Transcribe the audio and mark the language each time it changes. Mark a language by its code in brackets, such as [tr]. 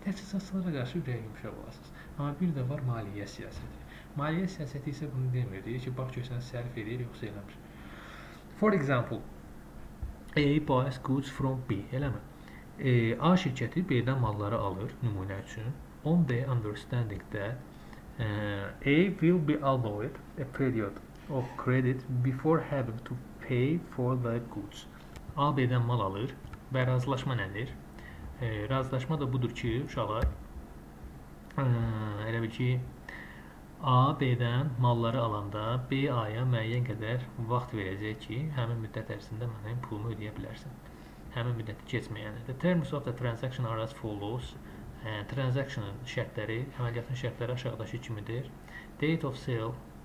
[az] Təchizatçılara qarşı ürək yumuşaq olasınız. Amma bir də var maliyyə siyasəti. Maliyyə siyasəti isə bunu demir. Deyir ki, bax görsən, sərf edir, yoxsa eləmir. [en] For example, A buys goods from B. Eləmi? [az] A şirkəti B-dən malları alır, nümunə üçün. [en] On the understanding that A will be allowed a period of credit before having to pay for the goods. [az] A B-dən mal alır və razılaşma nədir? Razılaşma da budur ki, uşaqlar, elə bil ki, A B-dən malları alanda B A-ya müəyyən qədər vaxt verəcək ki, həmin müddət ərzində mənim pulumu ödəyə bilərsən. Həmin müddəti keçməyənə. [en] The terms of the transaction are as follows. [az] Transaction-ın şərtləri, əməliyyatın şərtləri aşağıdakı kimidir. [en] Date of sale.